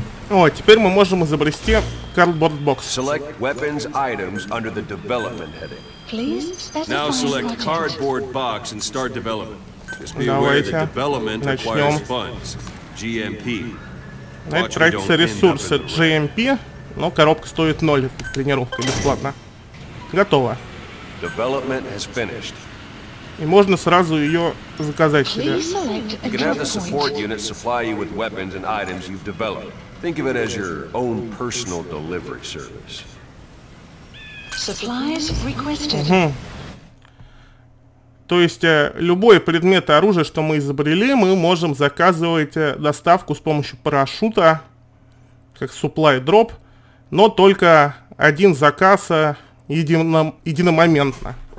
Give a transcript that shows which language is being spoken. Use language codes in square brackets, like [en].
[ru] О, теперь мы можем изобрести cardboard box. [en] Select weapons items under the development heading. Please specify. Now select cardboard box and start development. Just be aware that development requires funds. GMP. [ru] Это тратится ресурсы GMP, но коробка стоит 0. Тренировка бесплатно. Готово. [en] Development has finished. [ru] И можно сразу ее заказать себе. [en] You can have the support unit supply you with weapons and items you've developed. Think of it as your own personal delivery service. Supplies requested. Угу. [ru] То есть любой предмет оружия, что мы изобрели, мы можем заказывать доставку с помощью парашюта, как supply drop, но только один заказ единомоментно.